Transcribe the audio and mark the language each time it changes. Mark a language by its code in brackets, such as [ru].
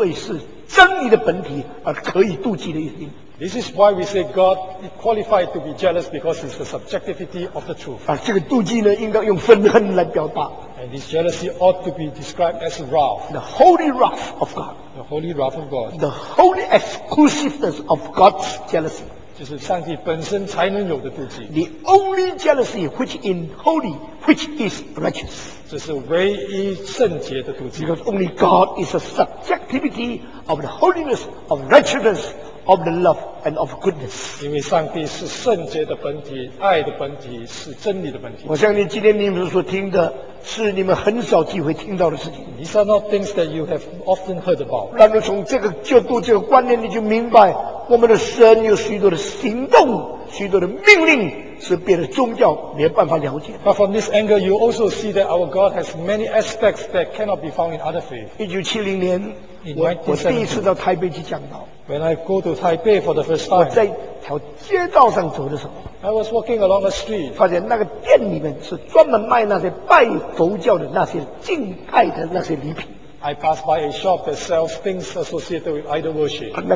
[zh] 这是神自己绝对因为是真理的本体而可以妒忌的原因, [en] this is why we say God qualified to be jealous because it's the subjectivity of the truth. [zh] 这个妒忌呢应该用愤恨来表达, [en] and this jealousy ought to be described as wrath, the holy wrath of God, the holy wrath of God, the holy exclusiveness of God's jealousy, [zh] 就是上帝本身才能有的妒忌, [en] the only jealousy which is holy, which is righteous, [zh] 这是唯一圣洁的妒忌, [en] because only God is a subjectivity of the holiness, of righteousness, of the love and of goodness. [zh] 因为上帝是圣洁的本体, 爱的本体, 是真理的本体, 我相信今天你们所听的是 你们很少机会听到的事情, [en] these are not things that you have often heard about. [zh] 但是从这个角度这个观念你就明白, 我们的神有许多的行动, 许多的命令, 是别的宗教没有办法了解, [en] but from this angle you also see that our God has many aspects that cannot be found in other faith. [zh] 1970年, 我第一次到台北去讲道, [en] when I go to Taipei for the first time, [zh] 我在一条街道上走的时候, [en] I was walking along the street, [zh] 发现那个店里面是专门卖那些拜佛教的那些敬拜的那些礼品, [en] I passed by a shop that sells things associated with idol worship.